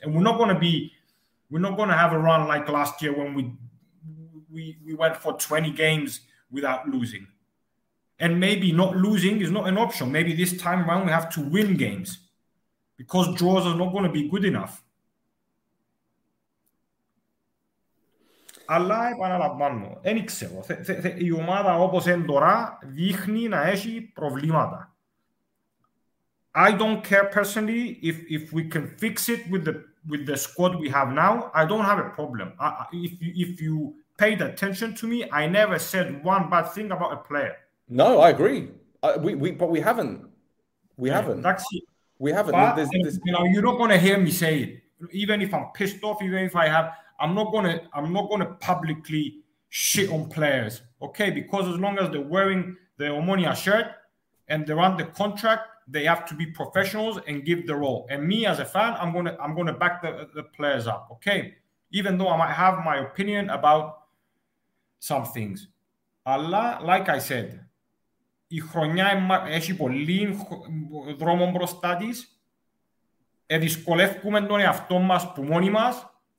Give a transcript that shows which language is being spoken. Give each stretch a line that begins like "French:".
English: And we're not going to have a run like last year when we went for 20 games without losing. And maybe not losing is not an option. Maybe this time around we have to win games. Because draws are not going to be good enough.
Greek: Αλλά επαναλαμβάνω, δεν ξέρω. Η ομάδα όπως είναι τώρα δείχνει να έχει προβλήματα.
English: I don't care personally if we can fix it with the squad we have now. I don't have a problem. If you paid attention to me, I never said one bad thing about a player. No, I agree. We haven't. But you're not going to hear me say it. Even if I'm pissed off, even if I have, I'm not going to publicly shit on players, okay? Because as long as they're wearing the Omonia shirt and they're under contract, they have to be professionals and give the role. And me as a fan, I'm going to back the players up, okay? Even though I might have my opinion about some things.
Greek: Allah,
English: like I said,
Greek: η χρονιά έχει πολύ δρόμο μπροστά της. Δυσκολεύουμε τον εαυτό μας που μόνοι μας